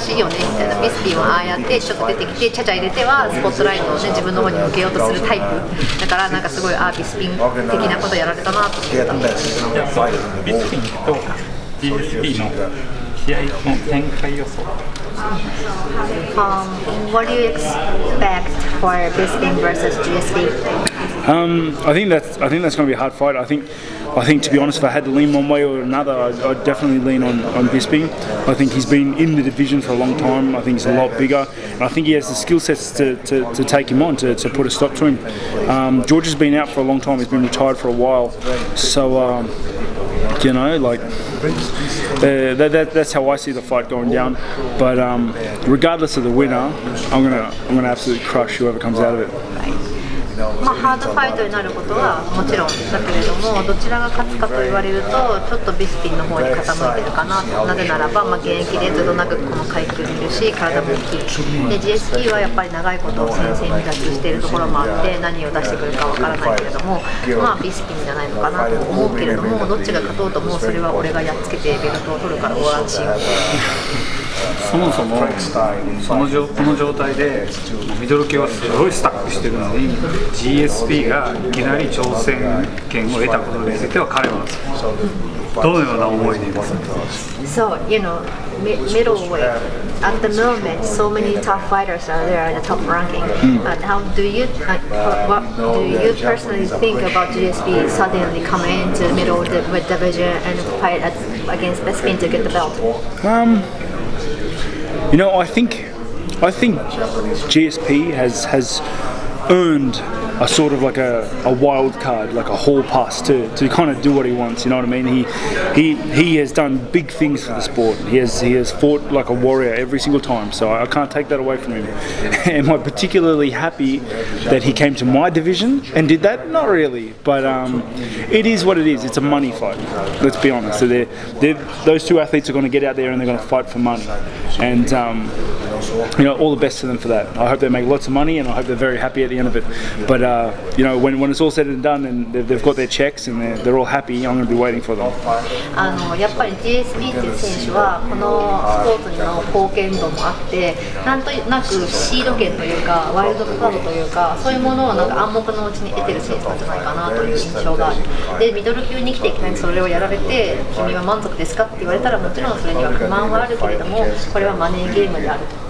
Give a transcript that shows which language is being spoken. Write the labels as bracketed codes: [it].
[ja] ああやってちょっと出てきてチャチャ入れてはスポットライトを、ね、自分の方に向けようとするタイプだから、なんかすごいアービスピン的なことやられたなと思った。ビスピンと GSP の試合の展開予想。 [en] What do you expect for Bisping versus GSP? I think that's going to be a hard fight. I think, to be honest, if I had to lean one way or another, I'd definitely lean on Bisping. I think he's been in the division for a long time. I think he's a lot bigger, and I think he has the skill sets to take him on, to put a stop to him. George has been out for a long time. He's been retired for a while. So, you know, like, that's how I see the fight going down. But regardless of the winner, I'm gonna absolutely crush whoever comes out of it. [ja] まあ、ハードファイトになることはもちろんだけれども、どちらが勝つかと言われるとちょっとビスピンの方に傾いてるかな。なぜならば、まあ、現役でずっと長くこの階級にいるし、体も大きいで、 GSP はやっぱり長いこと先生に脱出しているところもあって、何を出してくるかわからないけれども、まあビスピンじゃないのかなと思うけれども、どっちが勝とうともそれは俺がやっつけてベルトを取るから終わらんしよう。そもそもこの状態でミドル系はすごいスタックしてるのに、 GSP がいきなり挑戦権を得たことについては、彼はどのような思いでいますか？ [en] So, you know, middleweight, at the moment, so many tough fighters are there at the top ranking. And how do you, what do you personally think about GSP suddenly coming into middleweight division and fight against Bisping to get the belt? You know, I think GSP has earned a sort of like a wild card, like a hall pass to kind of do what he wants, you know what I mean? He has done big things for the sport. He has fought like a warrior every single time, so I can't take that away from him. Am I particularly happy that he came to my division and did that? Not really, but it is what it is. It's a money fight, let's be honest. So those two athletes are going to get out there and they're going to fight for money. And you know, all the best to them for that. I hope they make lots of money and I hope they're very happy at the end of it. But you know, when it's all said and done and they've got their checks and they're all happy, I'm going to be waiting for them. [ja] やっぱり GSP っていう選手はこのスポーツの貢献度もあって、なんとなくシード権というかワイルドカードというかそういうものをなんか暗黙のうちに得てる選手なんじゃないかなという印象がある。で、ミドル級に来ていきなりそれをやられて君は満足ですかって言われたら、もちろんそれには不満はあるけれども、これはマネーゲームであると。